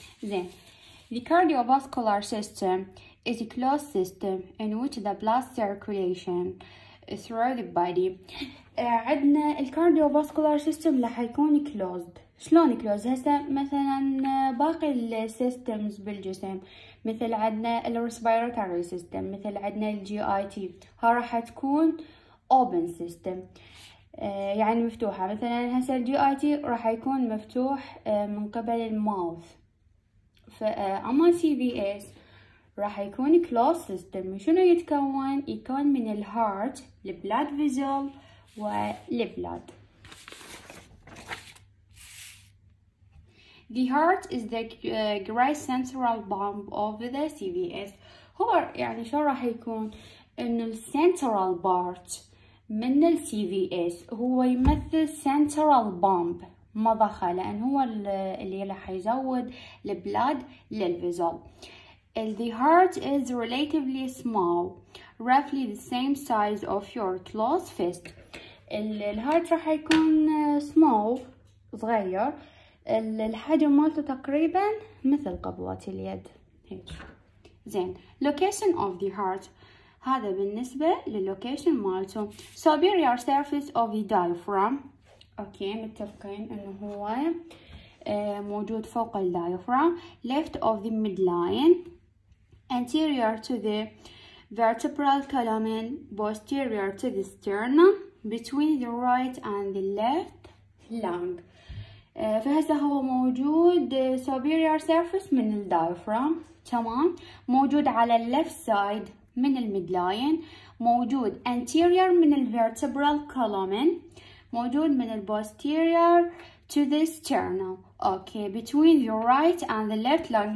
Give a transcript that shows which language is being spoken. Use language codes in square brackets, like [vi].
[en] Then, the cardiovascular system is a closed system in which the blood circulation through the body. [ar] عندنا الكارديوفاسكولار سيستم لح يكون كلوزد. شلون كلوزد؟ هسه مثلا باقي السيستمز بالجسم، مثل عندنا الريسبيراتوري سيستم، مثل عندنا الجي اي تي، ها راح تكون اوبن سيستم، يعني مفتوحه. مثلا هسه الجي اي تي راح يكون مفتوح من قبل الماوث، فاما سي في اس راح يكون كلوزد سيستم. شنو يتكون؟ يكون من الهارت، البلاد فيزول والبلاد. [en] The heart is the great central pump of the CVS. [ar] هو يعني شو راح يكون؟ إنه central part من ال CVS هو يمثل central pump، مضخة، لأن هو اللي راح يزود البلاد للفيزول. [en] The heart is relatively small, roughly the same size of your closed fist. [ar] الهارت راح يكون small، صغير، الحجم مالته تقريبا مثل قبضة اليد هيك. زين، location of the heart، هذا بالنسبة للوكيشن مالته. [en] Superior surface of the diaphragm. [ar] اوكي، متفقين انه هو موجود فوق الدايفرام. [en] Left of the midline. Anterior to the vertebral column. Posterior to the sternum. Between the right and the left lung. [ar] فهسه هو موجود superior surface من الدايفرام، تمام، موجود على left side من المدلاين، موجود anterior من الvertebral column، موجود من posterior to the sternum. [en] Okay, between the right and the left lung.